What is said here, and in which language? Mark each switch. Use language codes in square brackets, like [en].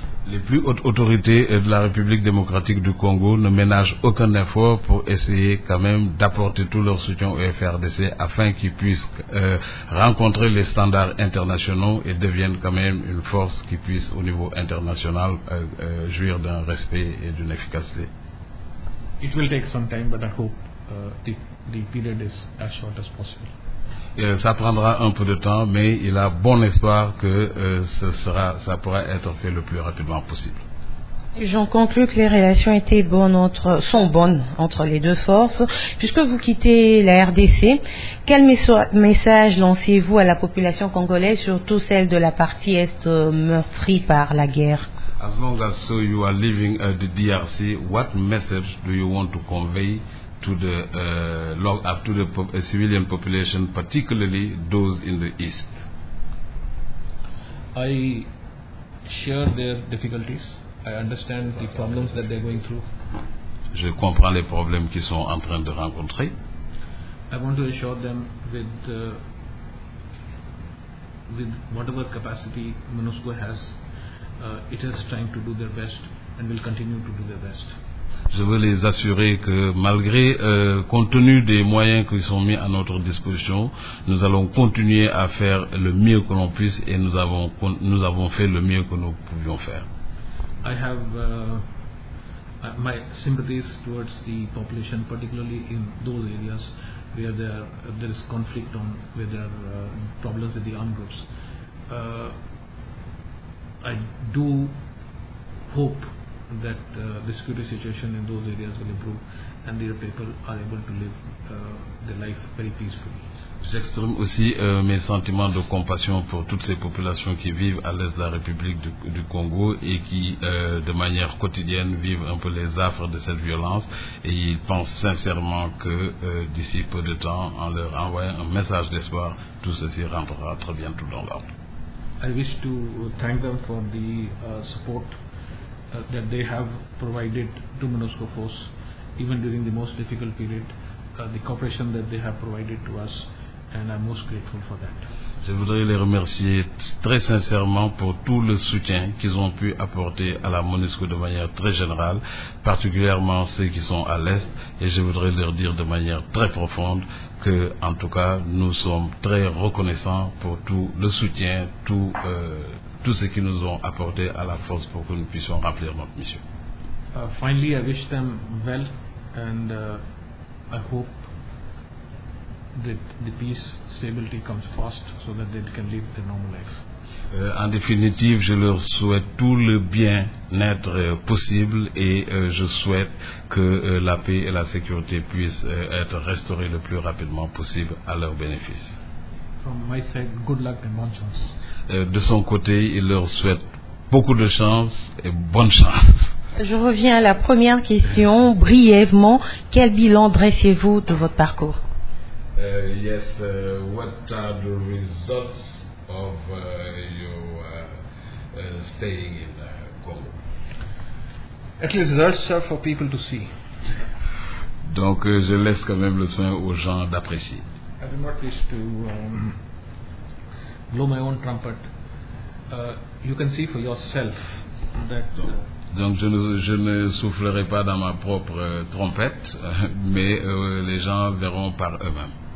[fr] Les plus hautes autorités de la République démocratique du Congo ne ménagent aucun effort pour essayer quand même d'apporter tout leur soutien au FARDC afin qu'ils puissent rencontrer les standards internationaux et deviennent quand même une force qui puisse au niveau international jouir d'un respect et d'une efficacité. [en] It will take some time, but I hope the period is as short as possible. [fr] Ça prendra un peu de temps, mais il a bon espoir que ça pourra être fait le plus rapidement possible. J'en conclus que les relations sont bonnes entre les deux forces. Puisque vous quittez la RDC, quel message lancez-vous à la population congolaise, surtout celle de la partie est meurtrie par la guerre? [en] As long as so you are leaving the DRC, what message do you want to convey to the civilian population, particularly those in the east? I share their difficulties. I understand the problems that they're going through. [fr] Je comprends les problèmes qu'ils sont en train de rencontrer. [en] I want to assure them with with whatever capacity MONUSCO has, it is trying to do their best and will continue to do their best. [fr] Je veux les assurer que malgré, compte tenu des moyens qui sont mis à notre disposition, nous allons continuer à faire le mieux que l'on puisse et nous avons fait le mieux que nous pouvions faire. [en] I have my sympathies towards the population, particularly in those areas where there is conflict on, where there are problems with the armed groups. I do hope that the security situation in those areas will improve and their people are able to live their life very peacefully. [fr] J'exprime aussi mes sentiments de compassion pour toutes ces populations qui vivent à l'est de la République du Congo et qui, de manière quotidienne, vivent un peu les affres de cette violence. Et ils pensent sincèrement que, d'ici peu de temps, en leur envoyant un message d'espoir, tout ceci rentrera très bientôt dans l'ordre. [en] I wish to thank them for the support that they have provided to MONUSCO force, even during the most difficult period, the cooperation that they have provided to us. And I'm most grateful for that. [fr] Je voudrais les remercier très sincèrement pour tout le soutien qu'ils ont pu apporter à la MONUSCO de manière très générale, particulièrement ceux qui sont à l'Est, et je voudrais leur dire de manière très profonde que, en tout cas, nous sommes très reconnaissants pour tout le soutien, tout ce qu'ils nous ont apporté à la force pour que nous puissions remplir notre mission. [en] Finally, I wish them well, and I hope that the peace stability comes fast so that they can live their normal life. [fr] En définitive, je leur souhaite tout le bien-être possible et je souhaite que la paix et la sécurité puissent être restaurées le plus rapidement possible à leur bénéfice. [en] From my side, good luck and [fr] bonne chance. De son côté, il leur souhaite beaucoup de chance et bonne chance. Je reviens à la première question brièvement. Quel bilan dressez-vous de votre parcours? [en] Yes, what are the results of your staying in Congo? At least results are for people to see. [fr] Donc je laisse quand même le soin aux gens d'apprécier. [en] I do not wish to blow my own trumpet. You can see for yourself that... [fr] Donc je ne soufflerai pas dans ma propre trompette, mais les gens verront par eux-mêmes.